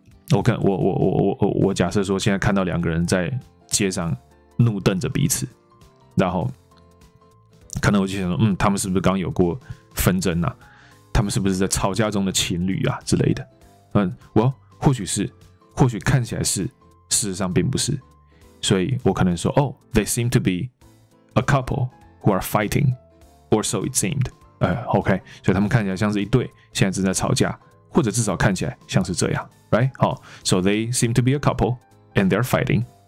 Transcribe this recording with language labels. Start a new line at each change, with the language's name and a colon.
Chinese: 我假设说，现在看到两个人在街上怒瞪着彼此，然后可能我就想说，他们是不是刚有过纷争啊？他们是不是在吵架中的情侣啊之类的？或许是，或许看起来是，事实上并不是。所以我可能说，
English: they seem to be a couple who are fighting, or so it seemed.
Chinese: OK， 所以他们看起来像是一对，现在正在吵架。或者至少看起来像是这样 ，right？
English: Oh, so they seem to be a couple and they're fighting.